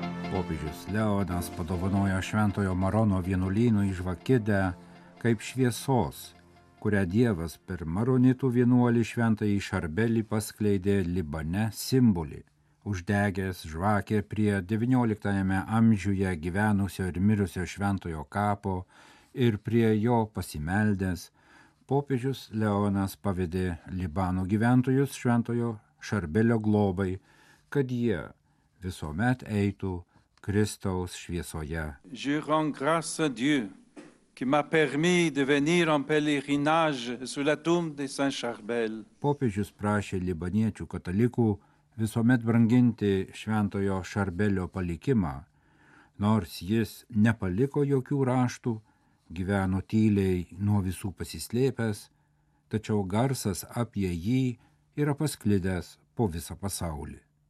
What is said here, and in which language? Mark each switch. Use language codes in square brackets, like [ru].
[lt] Popiežius Leonas padovanojo Šventojo Marono vienuolynų žvakidę kaip šviesos, kurią Dievas per maronitų vienuolį šventąjį Šarbelį paskleidė Libane simbolį, uždegęs žvakę prie 19 amžiuje gyvenusio ir mirusio šventojo kapo ir prie jo pasimeldęs, popiežius Leonas pavedė Libano gyventojus šventojo Šarbelio globai, kad jie visuomet eitų Kristaus šviesoje. [fr] Je rends grâce à Dieu qui m'a permis de venir en pèlerinage sur la tombe de Saint-Charbel. [lt] Popiežius prašė libaniečių katalikų visuomet branginti šventojo Šarbelio palikimą. Nors jis nepaliko jokių raštų, gyveno tyliai nuo visų pasislėpęs, tačiau garsas apie jį yra pasklidęs po visą pasaulį.